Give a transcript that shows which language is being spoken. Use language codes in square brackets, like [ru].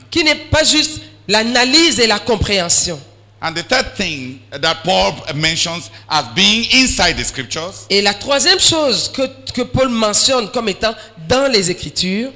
[fr] Qui n'est pas juste l'analyse et la compréhension. [en] And the third thing that Paul mentions as being inside the scriptures. [fr] Et la troisième chose que Paul mentionne comme étant dans les écritures.